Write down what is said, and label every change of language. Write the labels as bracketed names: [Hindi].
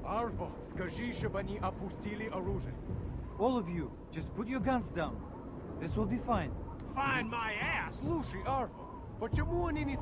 [Russian] Arvo, скажи, чтобы они опустили оружие. [English] All of you, just put your guns down. This will be fine. Fine my ass! [Russian] Слушай, Arvo, почему они не...